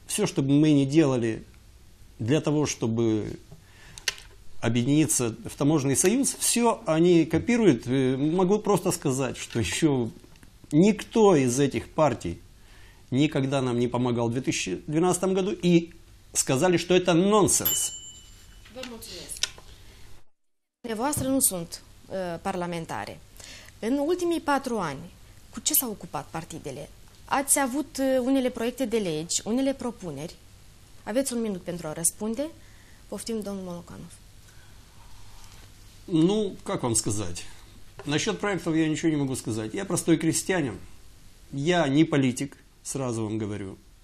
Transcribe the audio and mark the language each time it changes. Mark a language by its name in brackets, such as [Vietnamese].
[Russian] Все, что бы мы ни делали для того, чтобы объединиться в таможенный союз, все они копируют. Могу просто сказать, что еще никто из этих партий никогда нам не помогал в 2012 году и сказали, что это нонсенс. [Romanian] Dumneavoastră nu sunt parlamentare. În ultimii 4 ani, cu ce s-au ocupat partidele? Ați avut unele proiecte de legi, unele propuneri? Aveți un minut pentru a răspunde. Poftim, domnul Molocanov. [Russian] Ну, как вам сказать? Насчет проектов я ничего не могу сказать. Я простой крестьянин. Я не политик, сразу вам говорю.